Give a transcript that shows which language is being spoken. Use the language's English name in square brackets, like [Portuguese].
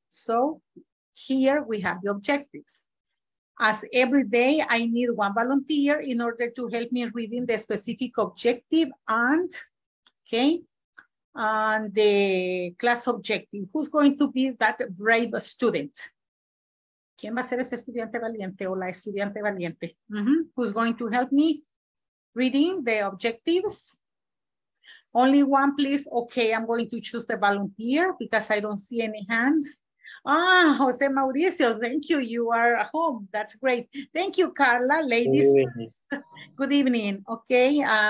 [English] So here we have the objectives. As every day, I need one volunteer in order to help me reading the specific objective and, okay, and the class objective. Who's going to be that brave student? [Spanish] ¿Quién va a ser ese estudiante valiente o la estudiante valiente? Mm-hmm. [English] Who's going to help me reading the objectives? Only one, please. Okay, I'm going to choose the volunteer because I don't see any hands. Ah, Jose Mauricio, thank you. You are home. That's great. Thank you, Carla. Ladies, good evening. Good evening. Okay.